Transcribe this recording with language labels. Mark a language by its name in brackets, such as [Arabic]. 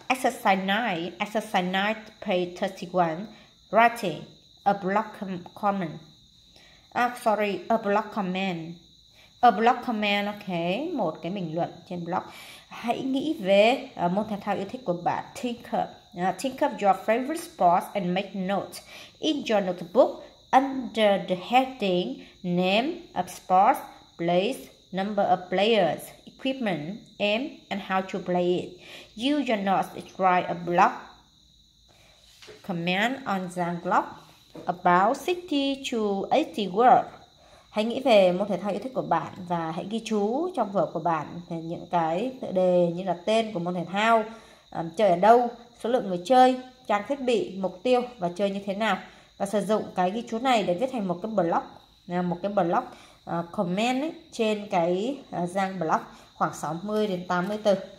[English] Exercise 9, exercise 9, page 31. Writing, a block comment. A block comment. A block comment, ok. [Vietnamese] Một cái bình luận trên blog. Hãy nghĩ về môn thể thao yêu thích của bạn. [English] Think of your favorite sports and make notes in your notebook under the heading name of sports, place, number of players, equipment, aim, and how to play it. Use your notes to write a blog comment on the blog about 60 to 80 words. [Vietnamese] Hãy nghĩ về môn thể thao yêu thích của bạn và hãy ghi chú trong vở của bạn về những cái tựa đề như là tên của môn thể thao, chơi ở đâu, số lượng người chơi, trang thiết bị, mục tiêu và chơi như thế nào. Và sử dụng cái ghi chú này để viết thành một cái blog comment ấy, trên cái trang blog khoảng 60 đến 80 từ.